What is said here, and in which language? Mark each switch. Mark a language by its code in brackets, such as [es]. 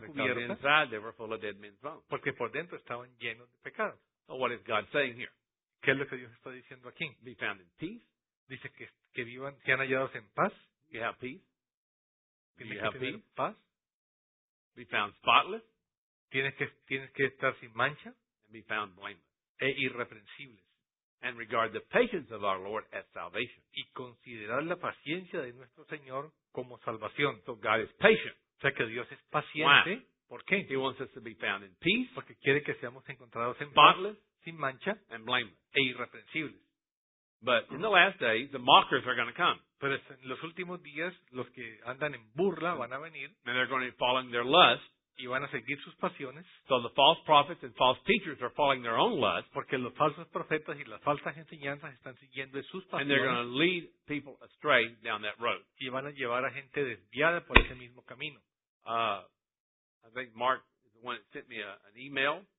[en] Because inside they were full of dead men's bones. [es] Porque por dentro estaban llenos de pecado. [en] So what is God saying here? [es] ¿Qué es lo que Dios está diciendo aquí? [en] Be found in peace. [es] Dice que vivan, sean hallados en paz. [en] You have peace. [es] Tienes que tener paz. [en] Be found spotless. [es] Tienes que estar sin mancha. [en] And be found blameless. [es] E irreprensibles. [en] And regard the patience of our Lord as salvation. [es] Y considerar la paciencia de nuestro Señor como salvación. [en] So God is patient. [es] O sea que Dios es paciente. [en] Why? [es] ¿Por qué? [en] He wants us to be found in peace. [es] Porque quiere que seamos encontrados en [en] spotless, [es] paz, sin mancha, [en] and blameless, [es] e irreprensibles. [en] But in the last days, the mockers are going to come. [es] Pero en los últimos días, los que andan en burla van a venir. [en] And they're going to be following their lust. [es] Y van a seguir sus pasiones. [en] So the false prophets and false teachers are following their own lust. [es] Porque los falsos profetas y las falsas enseñanzas están siguiendo sus pasiones. [en] And they're going to lead people astray down that road. [es] Y van a llevar a gente desviada por ese mismo camino. [en] I think Mark is the one that sent me an email.